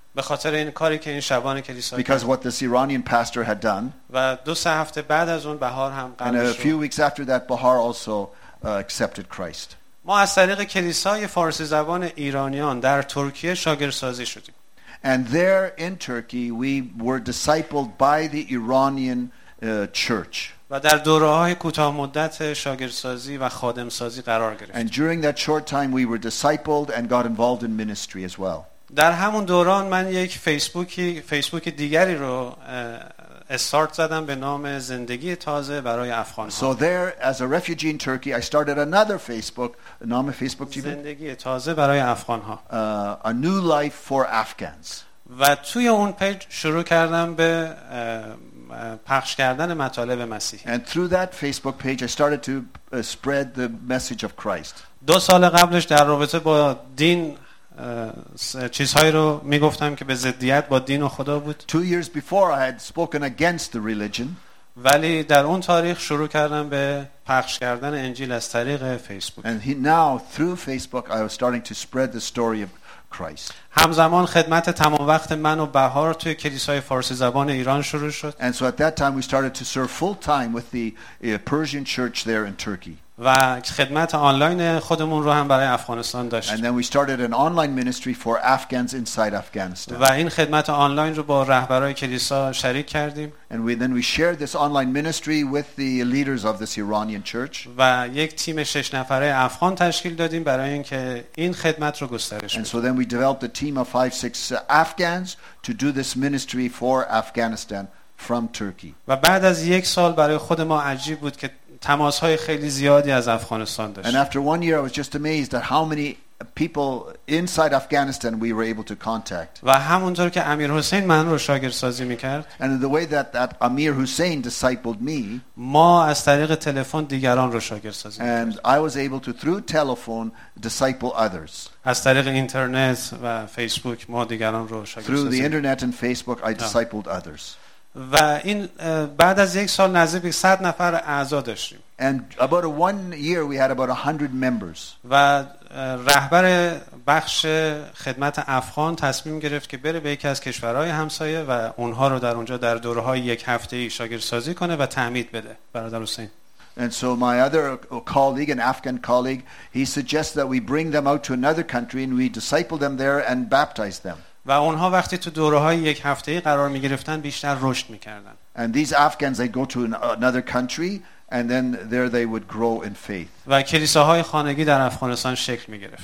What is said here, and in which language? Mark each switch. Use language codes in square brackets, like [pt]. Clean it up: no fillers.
[fa] به خاطر این کاری که این شبان کلیسا کرد [en] because what this Iranian pastor had done [fa] و دو سه هفته بعد از اون بهار هم قلبش [en] and a few weeks after that Bahar also accepted Christ [fa] ما از طریق کلیسای فارسی زبان ایرانیان در ترکیه شاگردسازی شدیم [en] And there in Turkey, we were discipled by the Iranian church. [fa] و در دوره‌های کوتاه‌مدت شاگردسازی و خادم‌سازی قرار گرفتیم. [en] And during that short time, we were discipled and got involved in ministry as well. [fa] در همون دوران من یک فیسبوک دیگری رو استارت زدم به نام زندگی تازه برای افغان‌ها. [en] So there, as a refugee in Turkey, I started another Facebook. [fa] نام فیسبوک چی بود؟ زندگی تازه برای افغان‌ها. [en] A new life for Afghans. [fa] و توی اون پیج شروع کردم به پخش کردن مطالب مسیحی. [en] And through that Facebook page, I started to spread the message of Christ. [fa] دو سال قبلش در رابطه با دین چیزهایی رو میگفتم که به ضدیت با دین و خدا بود. [en] 2 years before I had spoken against the religion. [fa] ولی در اون تاریخ شروع کردم به پخش کردن انجیل از طریق فیسبوک. [en] And now through Facebook I was starting to spread the story of Christ. [fa] همزمان خدمت تمام وقت من و بهار توی کلیسای فارسی زبان ایران شروع شد. [en] And so at that time we started to serve full time with the Persian church there in Turkey. [fa] و خدمت آنلاین خودمون رو هم برای افغانستان داشتیم. [en] And then we started an online ministry for Afghans inside Afghanistan. [fa] و این خدمت آنلاین رو با رهبرای کلیسا شریک کردیم. [en] And then we shared this online ministry with the leaders of this Iranian church. [fa] و یک تیم 6 نفره افغان تشکیل دادیم برای اینکه این خدمت رو گسترش بدیم. [en] And so then we developed a team of 5-6 Afghans to do this ministry for Afghanistan from Turkey. [fa] و بعد از یک سال برای خود ما عجیب بود که تماس‌های خیلی زیادی از افغانستان داشت. [en] And after one year I was just amazed at how many people inside Afghanistan we were able to contact. [fa] و همونطور که امیر حسین من رو شاگرد سازی می‌کرد. [en] And the way that Amir Hussein discipled me. [fa] ما از طریق تلفن دیگران رو شاگرد سازی می‌کردیم. [en] And I was able to through telephone disciple others. [fa] از طریق اینترنت و فیسبوک ما دیگران رو شاگرد سازی. [en] Through the internet and Facebook I discipled others. [fa] و این بعد از یک سال نزدیک 100 نفر اعضا داشتیم. [en] And about one year we had about 100 members. [fa] و رهبر بخش خدمت افغان تصمیم گرفت که بره به یکی از کشورهای همسایه و اونها رو در اونجا در دوره‌های یک هفته‌ای شاگردسازی کنه و تعمید بده. برادر حسین. [en] And so my other colleague, an Afghan colleague, he suggests that we bring them out to another country and we disciple them there and baptize them. [fa] و اونها وقتی تو دوره‌های یک هفته‌ای قرار می‌گرفتن بیشتر رشد می‌کردن. [en] And these Afghans they go to another country and then there they would grow in faith. [fa] و کلیساهای خانگی در افغانستان شکل می‌گرفت.